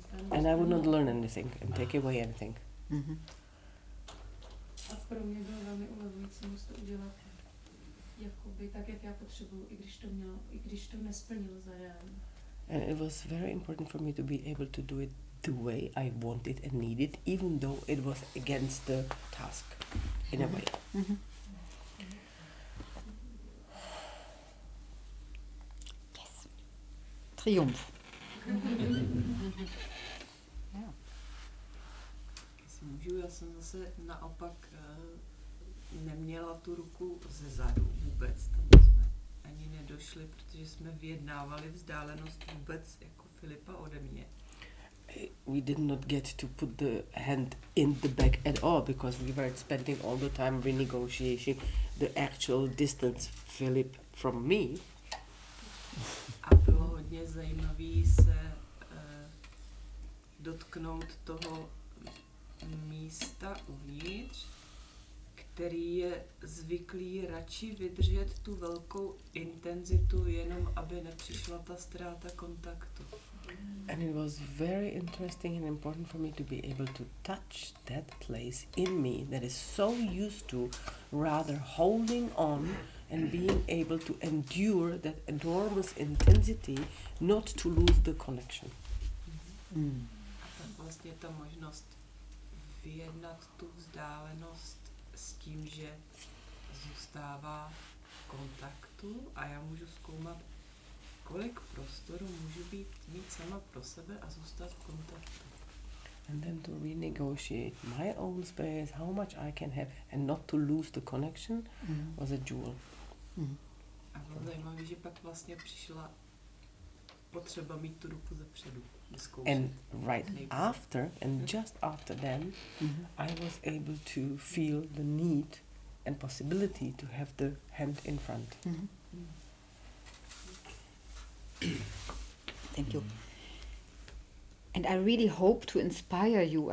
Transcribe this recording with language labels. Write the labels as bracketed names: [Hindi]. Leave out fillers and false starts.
[English] And I would not learn anything and take away anything. [Czech] A pro mě bylo velmi uvolňující to udělat jakoby tak, jak já potřebuji, i když to mělo, i když to nesplnilo zájem. [English] And it was very important for me to be able to do it the way I wanted and needed, even though it was against the task, in a way. Yes. Triumph. [Czech] Já jsem zase naopak neměla tu ruku ze zadu vůbec. Tam jsme ani nedošli, protože jsme vyjednávali vzdálenost vůbec jako Filipa ode mě. [English] We did not get to put the hand in the back at all because we were spending all the time renegotiating the actual distance Philip from me. [Czech] A bylo hodně zajímavý se dotknout toho místa uvnitř, který je zvyklý radši vydržet tu velkou intenzitu, jenom aby nepřišla ta ztráta kontaktu. [English] And it was very interesting and important for me to be able to touch that place in me that is so used to rather holding on and being able to endure that enormous intensity, not to lose the connection. [Czech] A tak vlastně ta možnost vyjednat tu vzdálenost s tím, že zůstává kontaktu a já můžu zkoumat, kolik prostoru můžu být mít sama pro sebe a zůstat v kontaktu. [English] And then to renegotiate my own space, how much I can have and not to lose the connection was a jewel. [Czech] A bylo zajímavé, že pak vlastně přišla potřeba mít tu ruku zepředu. [English] And right after, and just after then, I was able to feel the need and possibility to have the hand in front. Thank you. And I really hope to inspire you.